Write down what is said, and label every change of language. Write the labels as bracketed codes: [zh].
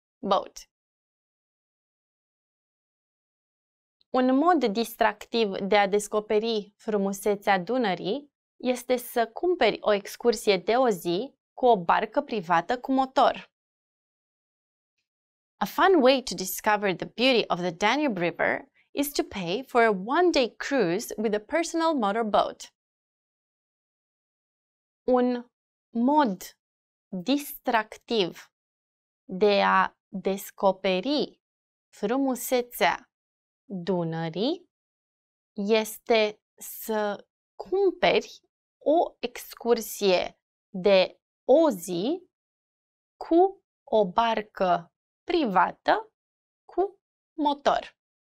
[en] Boat. [ro] Un mod distractiv de a descoperi frumusețea Dunării este să cumperi o excursie de o zi cu o barcă privată cu motor. [en] A fun way to discover the beauty of the Danube River is to pay for a one-day cruise with a personal motorboat. [ro] Un mod distractiv de a descoperi frumusețea Dunării este să cumperi o excursie de o zi cu o barcă privată cu motor.